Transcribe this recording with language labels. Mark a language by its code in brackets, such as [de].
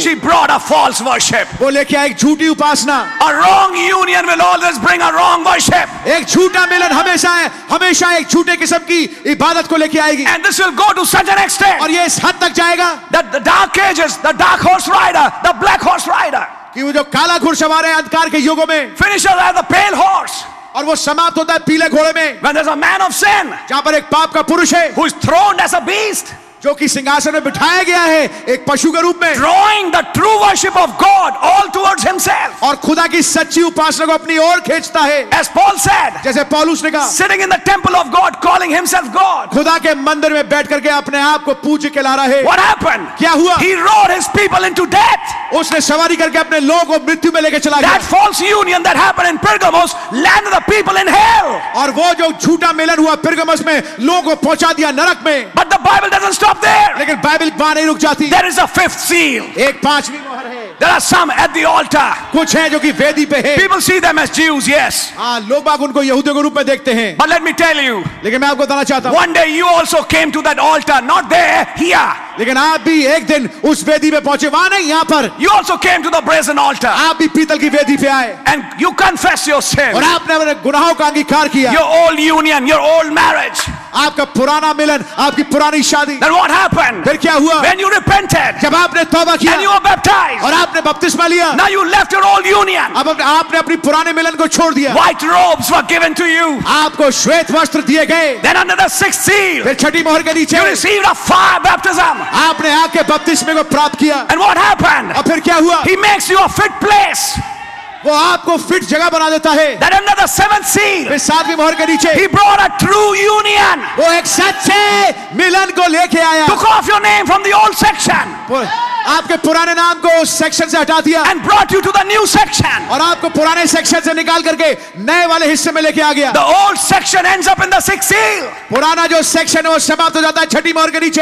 [en] She brought a false worship. [hi] वो लेके आए एक झूठी उपासना. [en] A wrong union. Zion will always bring a wrong worship. [hi] एक झूठा मिलन हमेशा है, हमेशा एक झूठे किस्म की इबादत को लेके आएगी. [en] And this will go to such an extent. [hi] और ये इस हद तक जाएगा. [en] That the dark ages, the dark horse rider, the black horse rider. [hi] कि वो जो काला घुड़सवार है अंधकार के युगों में. [en] Finishes as the pale horse. [hi] और वो समाप्त होता है पीले घोड़े में. [en] When there's a man of sin. [hi] जहाँ पर एक पाप का पुरुष है. [en] Who is thrown as a beast. [hi] जो कि सिंहासन में बिठाया गया है एक पशु के रूप में. [en] Drawing the true worship of God all towards himself. [hi] और खुदा की सच्ची उपासना को अपनी ओर खींचता है. [en] As Paul said. [hi] जैसे पौलुस ने कहा. [en] Sitting in the temple of God, calling himself God. [hi] खुदा के मंदिर में बैठ करके अपने आप को पूज्य कहला रहा है. [en] What happened? [hi] क्या हुआ? [en] He roared his people into death. [hi] उसने सवारी करके अपने लोगों को मृत्यु में लेके चला गया. [en] That false union that happened in Pergamos landed the people in hell. [hi] और वो जो झूठा मिलन हुआ पिर्गमस में लोगों को पहुंचा दिया नरक में. [en] But the Bible doesn't stop there. [hi] लेकिन बाइबल वहां नहीं रुक जाती. [en] There is a fifth seal. [hi] एक पांचवी मोहर है. [en] There are some at the altar. [hi] कुछ है जो कि वेदी पे है. [en] People see them as Jews, yes. [hi] हाँ, लोग बाग उनको यहूदियों के रूप में देखते हैं. [en] But let me tell you. [hi] लेकिन मैं आपको बताना चाहता [en] हूँ. One day you also came to that altar, not there, here. [hi] लेकिन आप भी एक दिन उस वेदी पे पहुंचे, वहां नहीं, यहाँ पर. [en] You also came to the brazen altar. [hi] आप भी पीतल की वेदी पे आए. [en] And you confess your sin. [hi] और आपने अपने गुनाहों का अंगीकार किया. [en] Your old union, your old marriage. [hi] आपका पुराना मिलन, आपकी पुरानी शादी. [en] Then what happened? [hi] फिर क्या हुआ? [en] When you repented. [hi] जब आपने तौबा किया. [en] And you were baptized. [hi] और आपने बपतिस्मा लिया. [en] Now you left your old union. [hi] अब आपने अपनी पुराने मिलन को छोड़ दिया. [en] White robes were given to you. [hi] आपको श्वेत वस्त्र दिए गए. [en] Then under the sixth seal. [hi] फिर छठी मोहर के नीचे. [en] You received a fire baptism. [hi] आपने आग के बपतिस्मे को प्राप्त किया. [en] And what happened? [hi] और फिर क्या हुआ? [en] He makes you a fit place. [hi] वो आपको फिट जगह बना देता है. [en] That under the seventh seal, [hi] सातवीं मोहर के नीचे. [en] He brought a true union. [hi] वो एक सच्चे मिलन को लेके आया. [en] Took off your name from the old section. [hi] आपके पुराने नाम को उस सेक्शन से हटा दिया. [en] And brought you to the new section. [hi] और आपको पुराने सेक्शन से निकाल करके नए वाले हिस्से में लेके आ गया. [en] The old section ends up in the sixth seal. [hi] पुराना जो सेक्शन है वो समाप्त हो जाता है छठी मोहर के नीचे.